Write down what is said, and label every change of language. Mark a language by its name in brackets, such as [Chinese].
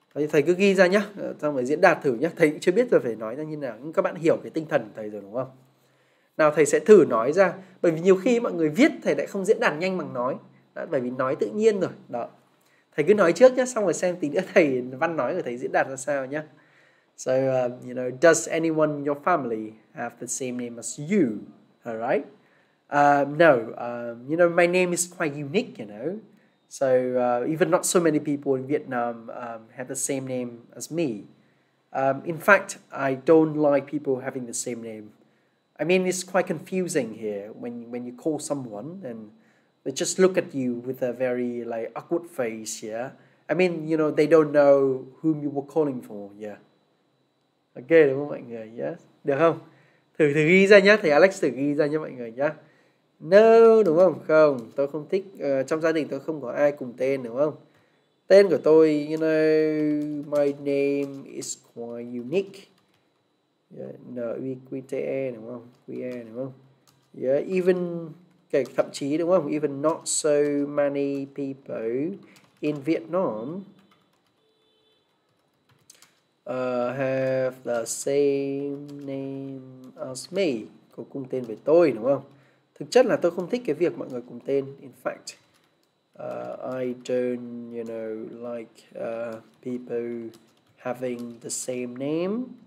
[Vietnamese] Thầy cứ ghi ra nhá, xong rồi diễn đạt thử nhá. Thầy chưa biết rồi phải nói ra như nào, nhưng các bạn hiểu cái tinh thần của thầy rồi đúng không? Nào, thầy sẽ thử nói ra. Bởi vì nhiều khi mọi người viết thầy lại không diễn đạt nhanh bằng nói. Đó, bởi vì nói tự nhiên rồi. Đó. Thầy cứ nói trước nhá, xong rồi xem tí nữa thầy văn nói của thầy diễn đạt ra sao nhá. [English] So, you know, does anyone in your family have the same name as you? Alright? No, you know, my name is quite unique, you know. So even not so many people in Vietnam have the same name as me. In fact, I don't like people having the same name. I mean, it's quite confusing here when you call someone and they just look at you with a very like awkward face, yeah? I mean, you know, they don't know whom you were calling for, yeah. Ok, [Vietnamese] đúng không mọi người, [English] yes? [Vietnamese] Được không? Thử ghi ra nhé, thầy Alex thử ghi ra nhé mọi người nhé. [English] No, [Vietnamese] đúng không? Không, tôi không thích, trong gia đình tôi không có ai cùng tên, đúng không? Tên của tôi, [English] you know, my name is quite unique. [Vietnamese] Yeah, N-U-Q-T-E, đúng không? Q-E, đúng không? [English] Yeah, even, okay, [Vietnamese] thậm chí, đúng không? [English] Even not so many people in Vietnam have the same name as me. [Vietnamese] Có cùng tên với tôi, đúng không? Thực chất là tôi không thích cái việc mọi người cùng tên. [English] In fact, I don't, you know, like people having the same name.